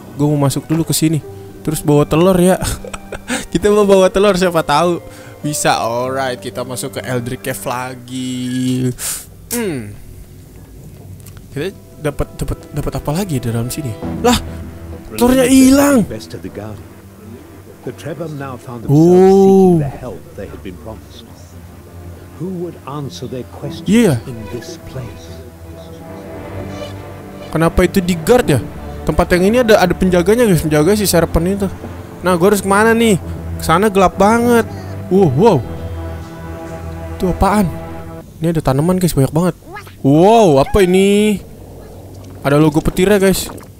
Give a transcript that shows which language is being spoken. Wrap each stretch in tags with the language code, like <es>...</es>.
<id>Gue mau masuk dulu ke sini. Terus bawa telur ya. Kita mau bawa telur, siapa tahu bisa. Alright, kita masuk ke Eldritch Cave lagi. Kita dapat apa lagi di dalam sini? Lah, telurnya hilang.</id> <en>The Trebum now found themselves seeking the help they had been promised. Who would answer their questions in this place?</en> <id>Kenapa itu di guard ya? Tempat yang ini ada penjaganya, guys. Penjaga si Serpent itu. Nah, gua harus kemana nih? Kesana gelap banget. Wow. Itu apaan? Ini ada tanaman, guys. Banyak banget. Wow, apa ini? Ada logo petirnya, guys.</id>